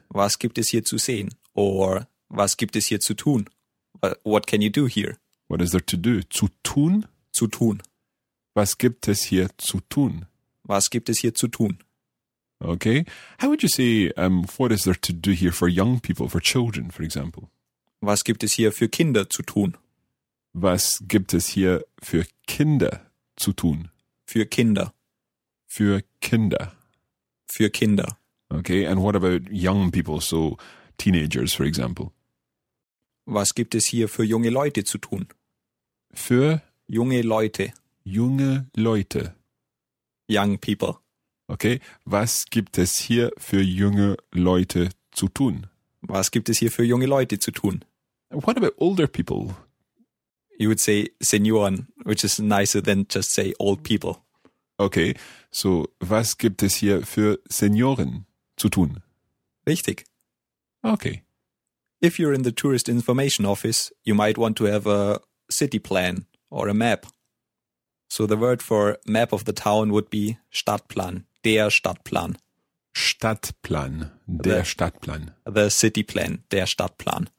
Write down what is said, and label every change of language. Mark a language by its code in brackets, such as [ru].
[de] Was gibt es hier zu sehen? Or, was gibt es hier zu tun? [en] What can you do here? What is there to do? [de] Zu tun? Zu tun. Was gibt es hier zu tun? Was gibt es hier zu tun? [en] Okay. How would you say, what is there to do here for young people, for children, for example? [de] Was gibt es hier für Kinder zu tun? Was gibt es hier für Kinder zu tun? Für Kinder. Für Kinder. Für Kinder. [en] Okay, and what about young people, so teenagers, for example? [de] Was gibt es hier für junge Leute zu tun? Für? Junge Leute. Junge Leute. [en] Young people. [de] Okay, was gibt es hier für junge Leute zu tun? Was gibt es hier für junge Leute zu tun? [en] What about older people? You would say Senioren, which is nicer than just say old people. [de] Okay, so was gibt es hier für Senioren zu tun? Richtig. [en] Okay. If you're in the tourist information office, you might want to have a city plan or a map. So the word for map of the town would be Stadtplan, der Stadtplan. [de] Stadtplan, der Stadtplan. [en] The city plan, der Stadtplan.